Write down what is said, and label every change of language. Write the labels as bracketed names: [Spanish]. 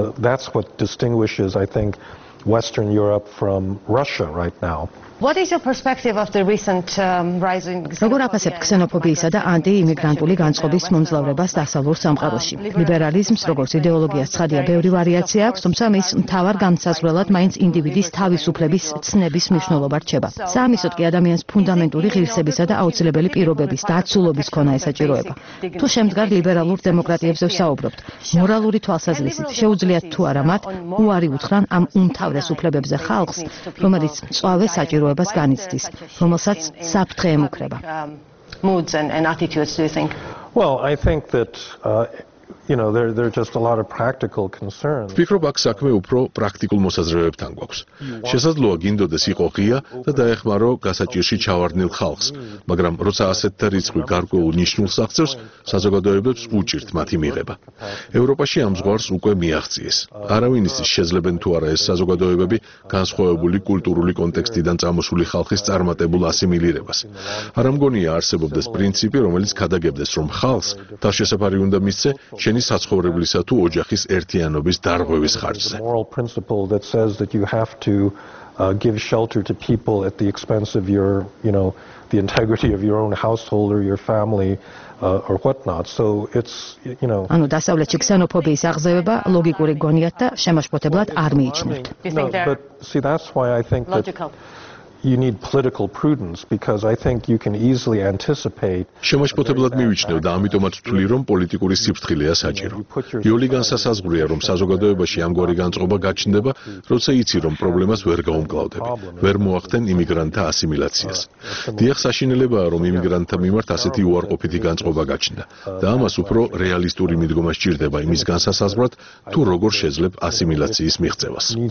[English] That's what distinguishes, I think, Western Europe from Russia right now. What is your perspective of the recent rising [Georgian] როგორ აფასებთ ქსენოფობიისა და ანტიიმიგრანტული განწყობის მომძლავრებას დასავლურ სამყაროში? ლიბერალიზმს, როგორც იდეოლოგიას, ცხადია, ბევრი ვარიაცია აქვს, თუმცა მის მთავარ განსაზღვრელად მაინც ინდივიდის თავისუფლების ცნების მნიშვნელობა რჩება. საამისოდ კი ადამიანის ფუნდამენტური ღირსებისა და აუცილებელი პირობების დაცულობის ქონა ესაჭიროება. თუ შემდგარ ლიბერალურ დემოკრატიებზე ვსაუბრობთ, მორალური თვალსაზრისით შეუძლიათ თუ არა მათ უარი უთხრან ამ უმთავრეს უფლებებზე ხალხს, რომელიც მწვავე ჯიროებას განიცდის, რომელსაც საფრთხე ემუქრება? [English] Moods and attitudes, do you think? Well, I think that there're just a lot of practical concerns. [Georgian] ფიქრობ, აქ საქმე უფრო პრაქტიკულ მოსაზრებებთან გვაქვს. შესაძლოა გინდოდეს იყო ღია და დაეხმარო გასაჭირში ჩავარდნილ ხალხს, მაგრამ როცა ასეთ რიცხვი გარკვეულ ნიშნულს აღწევს, საზოგადოებებს უჭირთ მათი მიღება. ევროპაში ამ ზღვარს უკვე მიაღწიეს. არავინ ის შეძლებენ თუ არა ეს საზოგადოებები განსხვავებული კულტურული კონტექსტიდან წამოსული ხალხის წარმატებულ ასიმილირებას. არა მგონია არსებობდეს პრინციპი, რომელიც ქადაგებდეს, რომ ხალხს თავშესაფარი უნდა მისცე შენი საცხოვრებლისა თუ ოჯახის ერთიანობის დარღვევის ხარჯზე. [English] Moral principle that says that you have to give shelter to people at the expense of your, the integrity of your own household or your family or what not. So it's, [Georgian] ანუ დასავლეთში ქსენოფობიის აღზევება ლოგიკური გონიათ და შემაშფოთებლად არ მიიჩნევთ. [English] But see, that's why I think that You need political prudence because I think you can easily anticipate. [Georgian] შემაშფოთებლად მივიჩნევ და ამიტომაც ვთვლი რომ პოლიტიკური სიფრთხილეა საჭირო. იოლი განსასაზღვრია რომ საზოგადოებაში ამგვარი განწყობა გაჩნდება, როცა იცი რომ პრობლემას ვერ გაუმკლავდები, ვერ მოახდენ იმიგრანტთა ასიმილაციას. დიახ, საშინელებაა რომ იმიგრანტთა მიმართ ასეთი უარყოფითი განწყობა გაჩნდა და ამას უფრო რეალისტური მიდგომა სჭირდება იმის განსასაზღვრად, თუ როგორ შეძლებ ასიმილაციის მიღწევას.